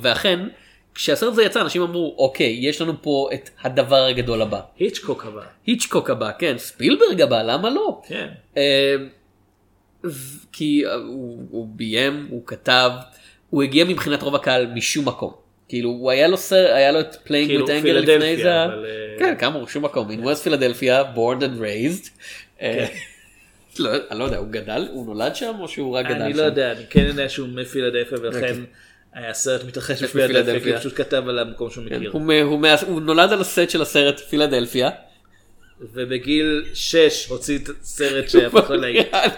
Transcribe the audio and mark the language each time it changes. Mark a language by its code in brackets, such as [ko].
[he] ואכן, כשהסרט זה יצא, אנשים אמרו, אוקיי, יש לנו פה את הדבר הגדול הבא. היצ'קוק הבא. היצ'קוק הבא, כן. ספילברג הבא, למה לא? כן. כי הוא ביים, הוא כתב, הוא הגיע מבחינת רוב הקהל משום מקום. כאילו, הוא היה לו סרט, היה לו את פליינג וויד אנגר לפני זה. כן, כמה הוא שום מקום. [en] In West Philadelphia, born and raised. [he] לא, אני לא יודע, הוא גדל, הוא נולד שם או שהוא רק גדל שם? אני לא יודע, אני כן יודע שהוא מפילדלפיה ולכן היה סרט מתרחש בפילדלפיה, הוא פשוט כתב על המקום שהוא מכיר. הוא נולד על הסט של הסרט פילדלפיה. ובגיל 6 הוציא את הסרט שהפך להיט.